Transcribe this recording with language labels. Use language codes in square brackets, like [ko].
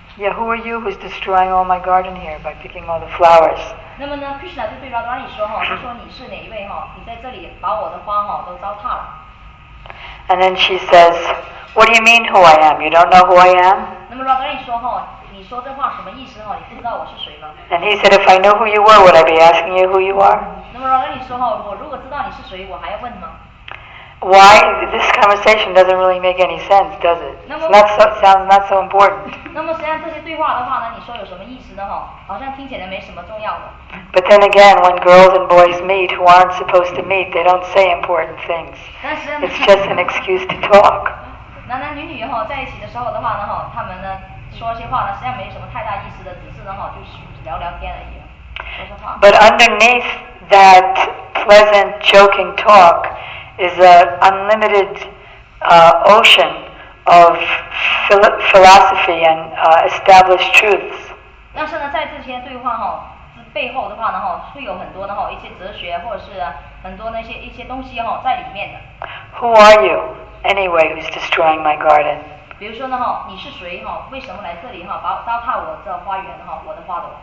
[en] Yeah, who are you who's destroying all my garden here by picking all the flowers? [zh] 那么呢 ，Krishna 就对 Radharani 说哈，他说你是哪一位哈？你在这里把我的花哈都糟蹋了。 [en] And then she says, "What do you mean who I am? You don't know who I am?" [zh] 那么 Radharani 说哈，你说这话什么意思哈？你不知道我是谁吗 [en] ？And he said, "If I knew who you were, would I be asking you who you are?" [zh] 那么 Radharani 说哈，我如果知道你是谁，我还要问吗？ [en] Why this conversation doesn't really make any sense, does it? Sounds not so important. [zh] 那么实际上这些对话的话呢，你说有什么意思呢？哈，好像听起来没什么重要的。 [en] But then again, when girls and boys meet who aren't supposed to meet, they don't say important things. It's just an excuse to talk. [zh] 男男女女哈在一起的时候的话呢，哈，他们呢说些话呢，实际上没什么太大意思的，只是呢哈就是聊聊天而已，说说话。 [en] But underneath that pleasant joking talk. Is an unlimited ocean of philosophy and established truths. [zh] 但是呢，在这些对话哈背后的话呢，哈会有很多的哈一些哲学或者是很多那些一些东西哈在里面的。 [en] Who are you, anyway? Who's destroying my garden? [zh] 比如说呢，哈你是谁哈？为什么来这里哈？把糟蹋我这花园哈，我的花朵。